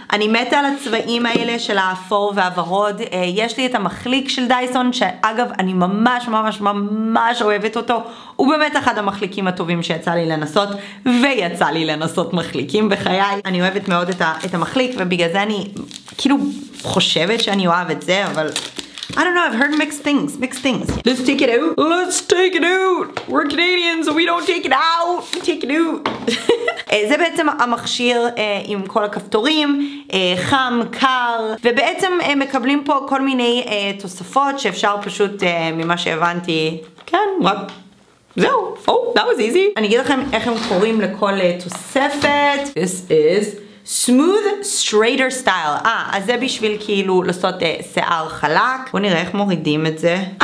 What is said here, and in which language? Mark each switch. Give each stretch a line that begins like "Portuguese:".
Hebrew: אני מתה על הצבעים האלה של האפור והוורוד, יש לי את המחליק של דייסון, שאגב אני ממש ממש ממש אוהבת אותו, הוא באמת אחד המחליקים הטובים שיצא לי לנסות, ויצא לי לנסות מחליקים בחיי. אני אוהבת מאוד את המחליק, ובגלל זה אני כאילו חושבת שאני אוהב את זה, אבל
English: I don't know, I've heard mixed things, mixed things. Let's take it out. Let's take it out. We're Canadians, so we don't take it out. Take it out.
Hebrew: זה בעצם המכשיר עם כל הכפתורים, חם, קר, ובעצם מקבלים פה כל מיני תוספות שאפשר פשוט ממה שהבנתי. כן, רק זהו.
English: Oh, that was easy.
Hebrew: אני אגיד לכם איך הם קוראים לכל תוספת.
English: This is smooth straighter style.
Hebrew: אז זה בשביל כאילו לעשות שיער חלק. בוא נראה איך מורידים את זה.